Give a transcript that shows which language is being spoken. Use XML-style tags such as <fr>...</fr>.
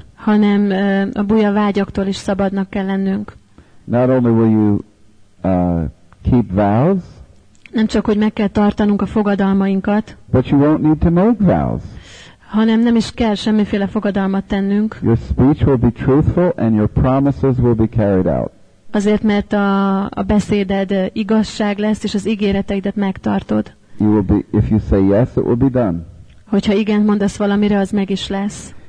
<hu>hanem a buja vágyaktól is szabadnak kell lennünk.</hu> <en>Not only will you keep vows,</en> <hu>nem csak, hogy meg kell tartanunk a fogadalmainkat,</hu> <en>but you won't need to make vows,</en> <hu>hanem nem is kell semmiféle fogadalmat tennünk.</hu> <en>Your speech will be truthful and your promises will be carried out.</en> <hu>Azért, mert a beszéded igazság lesz, és az ígéreteidet megtartod.</hu> <en>You will be, if you say yes, it will be done.</en> <hu>Hogyha igen mondasz valamire, az meg is lesz.</hu>